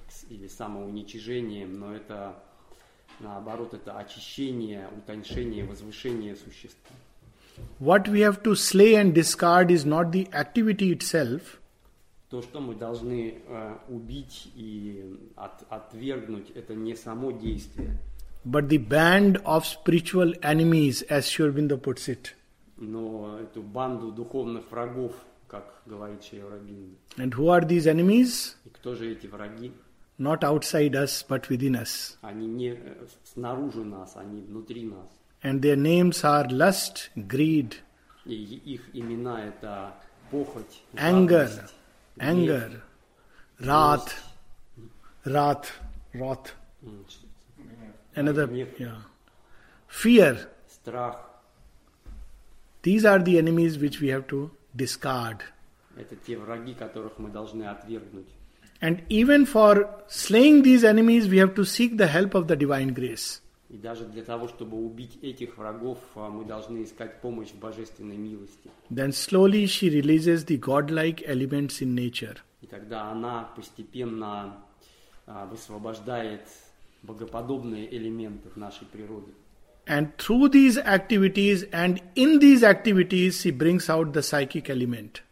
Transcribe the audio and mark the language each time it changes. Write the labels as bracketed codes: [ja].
[ru] Или самоуничижением, но это наоборот, это очищение, утончение, возвышение существа. [en] What we have to slay and discard is not the activity itself. [ru] То, что мы должны убить и отвергнуть, это не само действие. [en] But the band of spiritual enemies, as Sri Aurobindo puts it. [ru] Но эту банду духовных врагов, как говорит Шри Аурбиндо. [en] And who are these enemies? [ru] И кто же эти враги? [en] Not outside us, but within us. [ru] Они не снаружи нас, они внутри нас. [en] And their names are lust, greed. [ru] И их имена это похоть, [en] anger. [ru] Радость. [en] Anger, wrath, wrath, another, fear, [ru] страх. [en] These are the enemies which we have to discard. [ru] Это те враги, которых мы должны отвергнуть. [en] And even for slaying these enemies, we have to seek the help of the divine grace. [ru] И даже для того, чтобы убить этих врагов, мы должны искать помощь в божественной милости. [en] Then slowly she releases the godlike elements in nature. [ru] И тогда она постепенно высвобождает богоподобные элементы в нашей природе. [en] And through these activities and in these activities, she brings out the psychic element.